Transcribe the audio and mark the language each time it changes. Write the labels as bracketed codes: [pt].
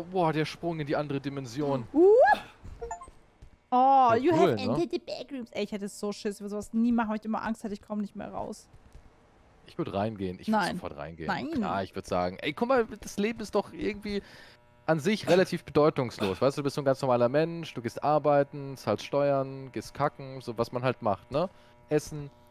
[de] Boah, der Sprung in die andere Dimension. [en] Oh, cool, you have entered the backrooms. [de] Ey, ich hätte so Schiss, über sowas nie machen, weil ich immer Angst hätte, ich komme nicht mehr raus. Ich würde reingehen, ich würde sofort reingehen. Nein. Klar, ich würde sagen, ey, guck mal, das Leben ist doch irgendwie an sich relativ bedeutungslos. Weißt du, du bist so ein ganz normaler Mensch, du gehst arbeiten, zahlst Steuern, gehst kacken, so was man halt macht, ne? Essen.